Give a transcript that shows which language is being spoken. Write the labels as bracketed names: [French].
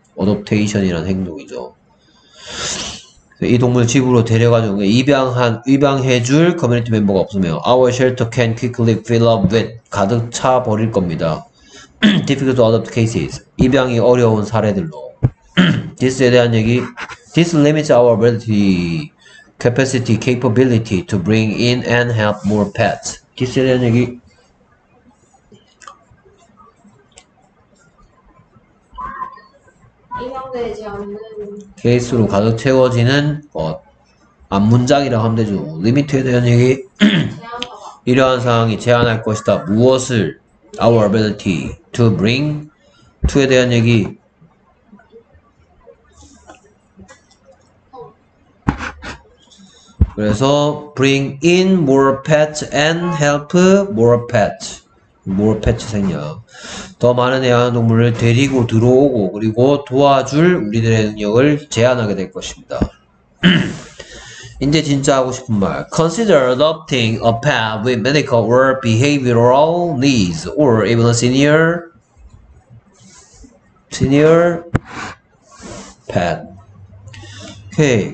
[Korean] 어댑테이션이라는 행동이죠. 이 동물 집으로 데려가죠. 입양해줄 커뮤니티 멤버가 없으면 [English] our shelter can quickly fill up with [Korean] 가득 차 버릴 겁니다. [English] Difficult to adopt cases. [Korean] 입양이 어려운 사례들로. this에 대한 얘기. [English] This limits our ability, capacity, capability to bring in and help more pets. [Korean] this에 대한 얘기. 인형되지 않는 케이스로 가득 채워지는 것. 반문장이라고 하면 되죠. 리미트에 대한 얘기. 이러한 상황이 제한할 것이다. 무엇을? [English] Our ability to bring to [Korean] 에 대한 얘기. 그래서 [English] bring in more pets and help more pets. More pets [Korean] 생략. 더 많은 애완동물을 데리고 들어오고 그리고 도와줄 우리들의 능력을 제한하게 될 것입니다. 이제 진짜 하고 싶은 말. [English] Consider adopting a pet with medical or behavioral needs or even a senior pet. Okay.